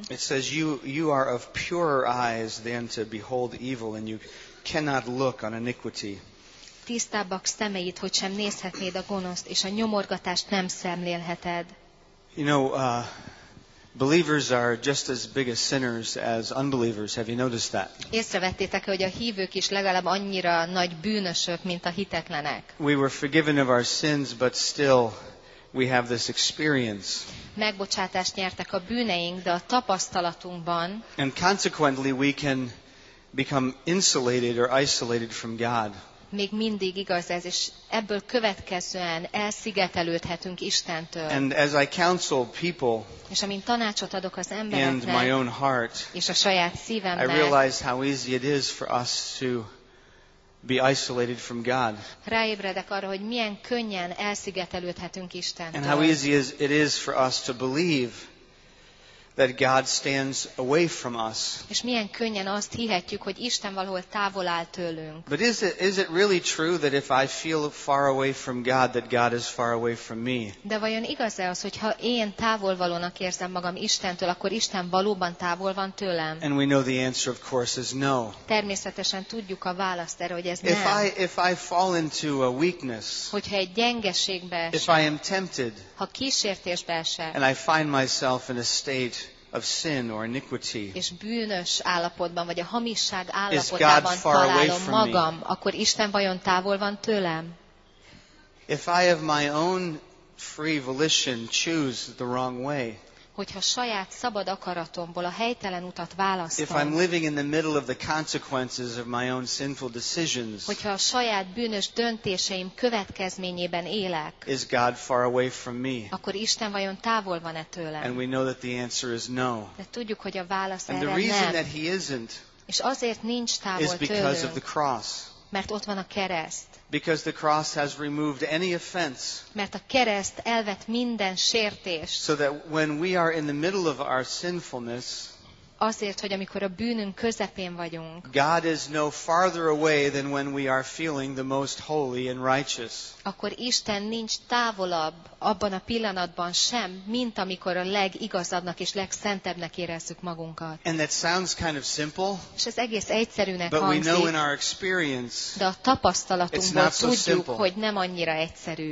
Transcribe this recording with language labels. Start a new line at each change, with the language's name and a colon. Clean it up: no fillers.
English: It says you are of purer eyes than to behold evil and you cannot look on iniquity.
Hungarian: Tisztábbak szemeid, hogy sem nézhetnéd a gonoszt és a nyomorgatást nem szemlélheted.
English: You know, believers are just as big as sinners as unbelievers. Have you noticed that?
Hungarian: Észrevettétek-e, hogy a hívők is legalább annyira nagy bűnösök, mint a hitetlenek?
English: We were forgiven of our sins, but still we have this experience.
Hungarian: Megbocsátást nyertek a bűneink, de a tapasztalatunkban.
English: And consequently we can become insulated or isolated from God.
Hungarian: Még mindig igaz ez, és ebből következően elszigetelődhetünk Istentől.
English: And as I counsel people,
Hungarian: és amint tanácsot adok az embereknek,
English: and my own heart,
Hungarian: és a saját szívemnek,
English: I realize how easy it is for us to be isolated from God.
Hungarian: Ráébredek arra, hogy milyen könnyen elszigetelődhetünk Istentől.
English: And how easy it is for us to believe that God stands away from us.
Hungarian: És milyen könnyen azt hihetjük, hogy Isten valahol távol áll tőlünk.
English: But is it really true that if I feel far away from God, that God is far away from me?
Hungarian: De vajon igaz-e az, hogy ha én távolvalónak érzem magam Istentől, akkor Isten valóban távol van tőlem?
English: And we know the answer, of course, is no.
Hungarian: Természetesen tudjuk a választ erre, hogy ez nem.
English: If I fall into a weakness,
Hungarian: hogyha egy gyengeségbe esem,
English: if I am tempted,
Hungarian: ha kísértésbe esem,
English: and I find myself in a state of sin or iniquity,
Hungarian: és bűnös állapotban vagy a hamisság állapotában találom magam, akkor Isten vajon távol van tőlem?
English: If I of my own free volition choose the wrong way,
Hungarian: hogyha saját szabad akaratomból a helytelen utat választom,
English: if I'm living in the middle of the consequences of my own sinful decisions,
Hungarian: hogyha a saját bűnös döntéseim következményében élek,
English: is God far away from me?
Hungarian: Akkor Isten vajon távol van-e tőlem?
English: And we know that the answer is no.
Hungarian: De tudjuk, hogy a válasz
English: and
Hungarian: erre
English: the reason
Hungarian: nem.
English: That he isn't,
Hungarian: és azért nincs távol
English: is because
Hungarian: tőlünk,
English: of the cross.
Hungarian: Mert ott van a kereszt.
English: Because the cross has removed any offense.
Hungarian: Mert a kereszt elvett minden sértést.
English: So that when we are in the middle of our sinfulness,
Hungarian: azért, hogy amikor a bűnünk közepén vagyunk,
English: God is no farther away than when we are feeling the most holy and righteous.
Hungarian: Akkor Isten nincs távolabb abban a pillanatban sem, mint amikor a legigazabbnak és legszentebbnek érezzük magunkat.
English: And that sounds kind of simple,
Hungarian: és ez egész egyszerűnek
English: but
Hungarian: hangzik,
English: we know in our experience,
Hungarian: de a tapasztalatunkból tudjuk,
English: so
Hungarian: hogy nem annyira egyszerű.